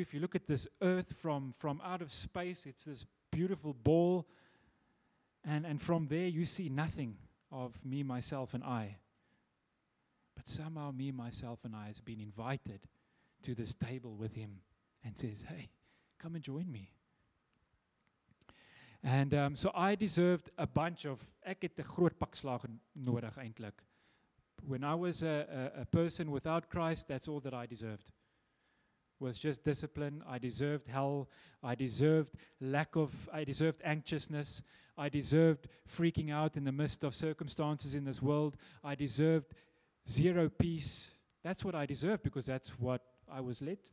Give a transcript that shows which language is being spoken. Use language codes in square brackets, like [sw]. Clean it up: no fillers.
[en] If you look at this earth from out of space, it's this beautiful ball. And from there, you see nothing of me, myself, and I. But somehow, me, myself, and I has been invited to this table with him and says, hey, come and join me. And so I deserved a bunch of, [af] ek het 'n groot pak slag nodig eintlik. [en] When I was a person without Christ, that's all that I deserved. Was just discipline. I deserved hell. I deserved anxiousness. I deserved freaking out in the midst of circumstances in this world. I deserved zero peace. That's what I deserved because that's what I was led to.